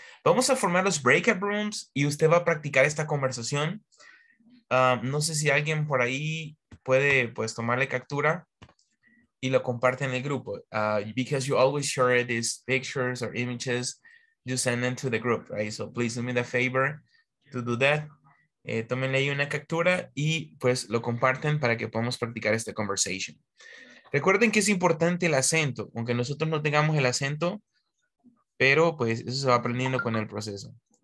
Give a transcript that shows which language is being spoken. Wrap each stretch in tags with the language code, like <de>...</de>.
<es>Vamos a formar los breakout rooms y usted va a practicar esta conversación. No sé si alguien por ahí puede pues tomarle captura y lo comparte en el grupo.</es> <en>Because you always share these pictures or images, you send them to the group, right? So please do me the favor to do that.</en> <es>Tómenle ahí una captura y pues lo comparten para que podamos practicar esta conversation. Recuerden que es importante el acento, aunque nosotros no tengamos el acento, pero pues eso se va aprendiendo con el proceso.</es>